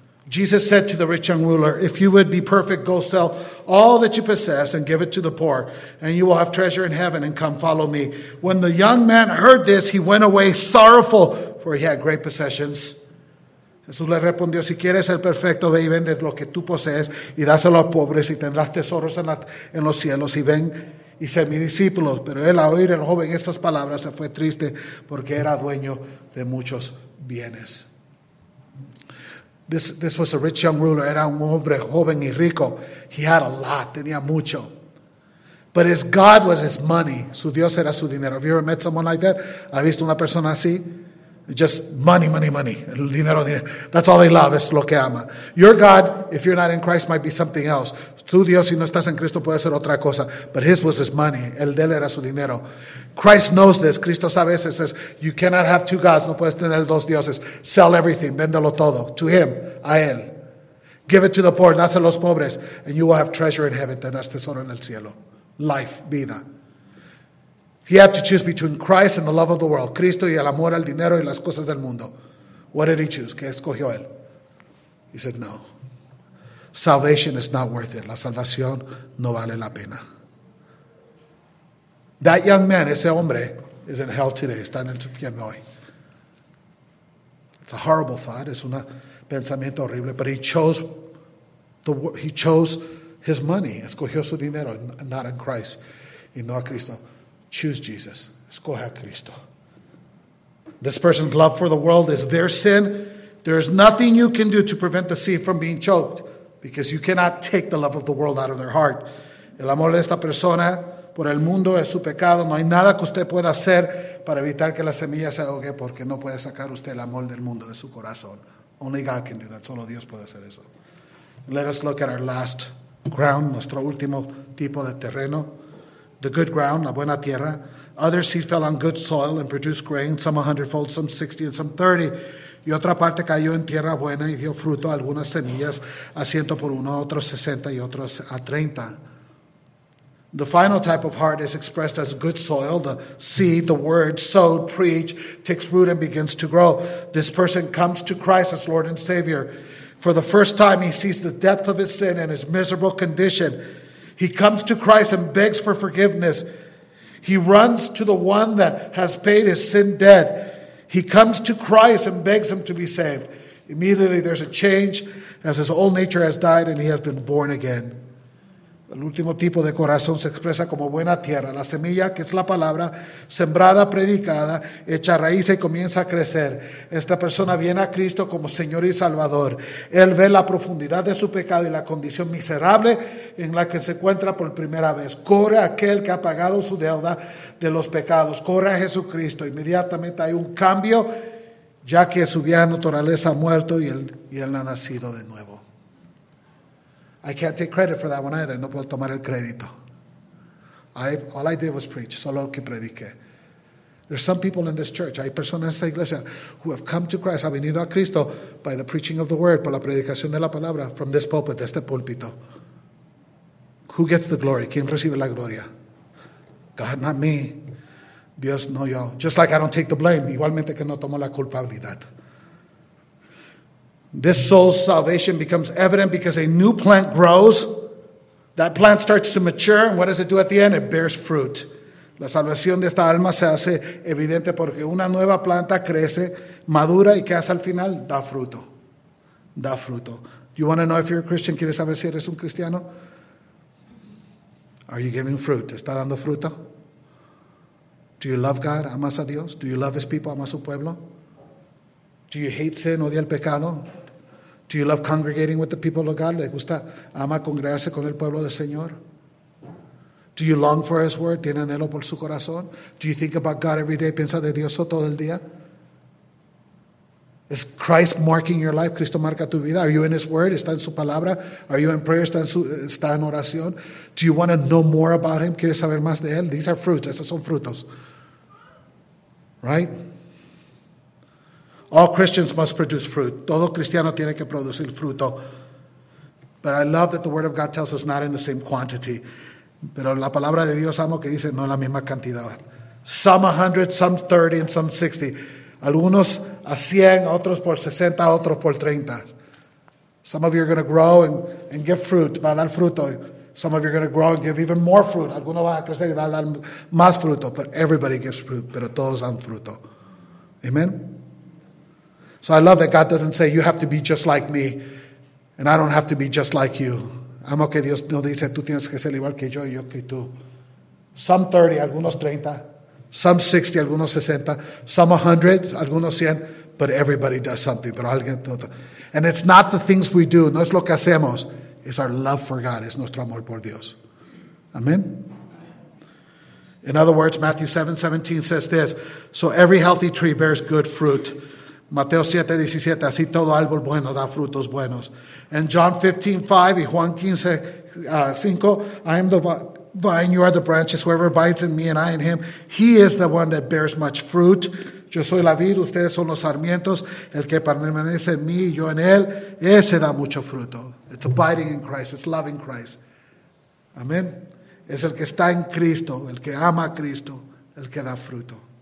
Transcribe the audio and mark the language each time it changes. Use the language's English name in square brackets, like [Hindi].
[English] Jesus said to the rich young ruler, if you would be perfect, go sell all that you possess and give it to the poor, and you will have treasure in heaven, and come follow me. When the young man heard this, he went away sorrowful, for he had great possessions. [Spanish] Jesús le respondió, si quieres ser perfecto, ve y vende lo que tú posees, y dáselo a los pobres, y tendrás tesoros en los cielos, y ven y sé mi discípulo. Pero él, al oír el joven estas palabras, se fue triste, porque era dueño de muchos bienes. [English] This was a rich young ruler. [Spanish] Era un hombre joven y rico. [English] He had a lot. [Spanish] Tenía mucho. [English] But his God was his money. [Spanish] Su Dios era su dinero. [English] Have you ever met someone like that? [Spanish] ¿Ha visto una persona así? [English] Just money, money, money. [Spanish] El dinero, dinero. [English] That's all they love. [Spanish] Es lo que ama. [English] Your God, if you're not in Christ, might be something else. [Spanish] Tu Dios, si no estás en Cristo, puede ser otra cosa. [English] But his was his money. [Spanish] El de él era su dinero. [English] Christ knows this. [Spanish] Cristo sabe eso. [English] Says, you cannot have two gods. [Spanish] No puedes tener dos dioses. [English] Sell everything. [Spanish] Véndelo todo. [English] To him. [Spanish] A él. [English] Give it to the poor. [Spanish] Dáselo a los pobres. [English] And you will have treasure in heaven. [Spanish] Tendrás tesoro en el cielo. [English] Life. [Spanish] Vida. [English] He had to choose between Christ and the love of the world. [Spanish] Cristo y el amor al dinero y las cosas del mundo. [English] What did he choose? [Spanish] ¿Qué escogió él? [English] He said, no. Salvation is not worth it. [Spanish] La salvación no vale la pena. [English] That young man, [Spanish] ese hombre, [English] is in hell today. [Spanish] Está en el infierno hoy. [English] It's a horrible thought. [Spanish] Es un pensamiento horrible. [English] But he chose his money. [Spanish] Escogió su dinero, [English] not in Christ, [Spanish] y no a Cristo. [English] Choose Jesus. [Spanish] Escoge a Cristo. [English] This person's love for the world is their sin. There is nothing you can do to prevent the seed from being choked, because you cannot take the love of the world out of their heart. [Spanish] El amor de esta persona por el mundo es su pecado. No hay nada que usted pueda hacer para evitar que la semilla se ahogue, porque no puede sacar usted el amor del mundo de su corazón. [English] Only God can do that. [Spanish] Solo Dios puede hacer eso. [English] Let us look at our last ground, [Spanish] nuestro último tipo de terreno. [English] The good ground, [Spanish] la buena tierra. [English] Other seed fell on good soil and produced grain, some 100-fold, some 60, and some 30. [Spanish] Y otra parte cayó en tierra buena y dio fruto, algunas semillas a 100 por 1, otros 60 y otros a 30. [English] The final type of heart is expressed as good soil. The seed, the word, sowed, preached, takes root and begins to grow. This person comes to Christ as Lord and Savior. For the first time, he sees the depth of his sin and his miserable condition. He comes to Christ and begs for forgiveness. He runs to the one that has paid his sin debt. He comes to Christ and begs him to be saved. Immediately, there's a change as his old nature has died and he has been born again. [Spanish] El último tipo de corazón se expresa como buena tierra. La semilla, que es la palabra, sembrada, predicada, echa raíz y comienza a crecer. Esta persona viene a Cristo como Señor y Salvador. Él ve la profundidad de su pecado y la condición miserable en la que se encuentra por primera vez. Corre a aquel que ha pagado su deuda de los pecados. Corre a Jesucristo. Inmediatamente hay un cambio, ya que su vieja naturaleza ha muerto y él ha nacido de nuevo. [English] I can't take credit for that one either. [Spanish] No puedo tomar el crédito. [English] All I did was preach. [Spanish] Solo que prediqué. [English] There's some people in this church. [Spanish] Hay personas en esta iglesia [English] who have come to Christ, [Spanish] ha venido a Cristo [English] by the preaching of the word, [Spanish] por la predicación de la palabra, [English] from this pulpit, [Spanish] de este púlpito. [English] Who gets the glory? [Spanish] ¿Quién recibe la gloria? [English] God, not me. [Spanish] Dios, no yo. [English] Just like I don't take the blame. [Spanish] Igualmente que no tomo la culpabilidad. [English] This soul's salvation becomes evident because a new plant grows. That plant starts to mature, and what does it do at the end? It bears fruit. [Spanish] La salvación de esta alma se hace evidente porque una nueva planta crece, madura, y que hace al final da fruto. Da fruto. [English] Do you want to know if you're a Christian? [Spanish] ¿Quieres saber si eres un cristiano? [English] Are you giving fruit? [Spanish] ¿Está dando fruto? [English] Do you love God? [Spanish] ¿Amas a Dios? [English] Do you love his people? [Spanish] ¿Amas su pueblo? [English] Do you hate sin? [Spanish] ¿Odia el pecado? [English] Do you love congregating with the people of God? [Spanish] ¿Le gusta, ama congregarse con el pueblo del Señor? [English] Do you long for his word? [Spanish] ¿Tiene anhelo por su corazón? [English] Do you think about God every day? [Spanish] ¿Piensa de Dios todo el día? [English] Is Christ marking your life? [Spanish] ¿Cristo marca tu vida? [English] Are you in his word? [Spanish] ¿Está en su palabra? [English] Are you in prayer? [Spanish] ¿Está en oración? [English] Do you want to know more about him? [Spanish] ¿Quieres saber más de él? [English] These are fruits. [Spanish] Estos son frutos. [English] Right? All Christians must produce fruit. [Spanish] Todo cristiano tiene que producir fruto. [English] But I love that the word of God tells us not in the same quantity. [Spanish] Pero la palabra de Dios amo que dice no la misma cantidad. [English] Some 100, some 30, and some 60. [Spanish] Algunos a 100, otros por 60, otros por 30. [English] Some of you are going to grow and give fruit. [Spanish] Va a dar fruto. [English] Some of you are going to grow and give even more fruit. [Spanish] Algunos van a crecer y va a dar más fruto. [English] But everybody gives fruit. [Spanish] Pero todos dan fruto. [English] Amen. So I love that God doesn't say, you have to be just like me, and I don't have to be just like you. [Spanish] Amo que Dios no dice, tú tienes que ser igual que yo y yo que tú. [English] Some 30, [Spanish] algunos 30. [English] Some 60, [Spanish] algunos 60. [English] Some 100, [Spanish] algunos 100. [English] But everybody does something. [Spanish] Pero alguien todo. [English] And it's not the things we do. [Spanish] No es lo que hacemos. [English] It's our love for God. [Spanish] Es nuestro amor por Dios. [English] Amen. In other words, Matthew 7:17 says this. So every healthy tree bears good fruit. [Spanish] Mateo 7:17, así todo árbol bueno da frutos buenos. [English] And John 15:5 [Spanish] y Juan 15:5, [English] I am the vine, you are the branches, whoever abides in me and I in him, he is the one that bears much fruit. [Spanish] Yo soy la vid, ustedes son los sarmientos, el que permanece en mí y yo en él, ese da mucho fruto. [English] It's abiding in Christ, it's loving Christ. Amén. [Spanish] Es el que está en Cristo, el que ama a Cristo, el que da fruto.